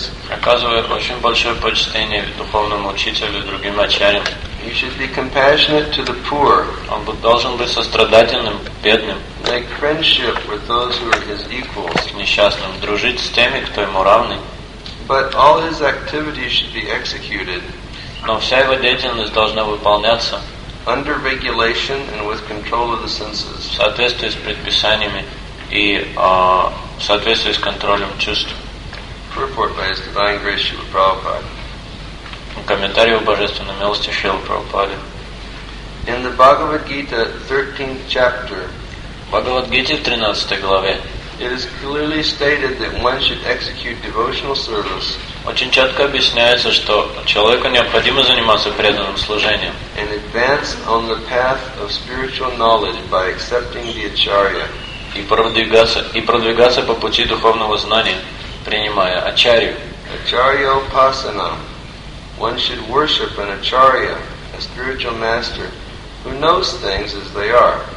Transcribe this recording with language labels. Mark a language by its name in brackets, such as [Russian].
[Russian] Оказывая очень большое почтение духовному учителю и другим ачарям. [English] You should be compassionate to the poor. [Russian] Он должен быть сострадательным бедным. [English] Make friendship with those who are his equals. [Russian] Несчастным дружить с теми, кто ему равный. [English] But all his activities should be executed. [Russian] Но вся его деятельность должна выполняться. [English] Under regulation and with control of the senses. [Russian] В соответствии с предписаниями и в соответствии с контролем чувств. [English] Purport by his divine grace, Srila Prabhupada. [Russian] Комментарий о Божественной милости Шрилы Прабхупады. [English] In the Bhagavad Gita, 13th chapter, [Russian] Bhagavad Gita, 13 главе, [English] it is clearly stated that one should execute devotional service. [Russian] Очень четко объясняется, что человеку необходимо заниматься преданным служением. [English] And advance on the path of spiritual knowledge by accepting the acharya. [Russian] И продвигаться по пути духовного знания, принимая ачарью. [Sanskrit] Acharya upasana. [English] One should worship an acharya, a spiritual master, who knows things as they are.